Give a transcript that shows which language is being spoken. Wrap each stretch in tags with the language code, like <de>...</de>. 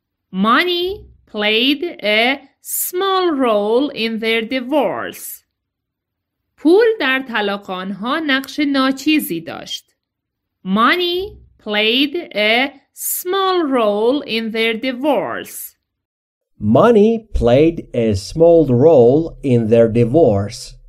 <en>Money played a small role in their divorce.</en> <fa>پول در طلاق آنها نقش ناچیزی داشت.</fa> <en>Money played a small role in their divorce. Money played a small role in their divorce.</en>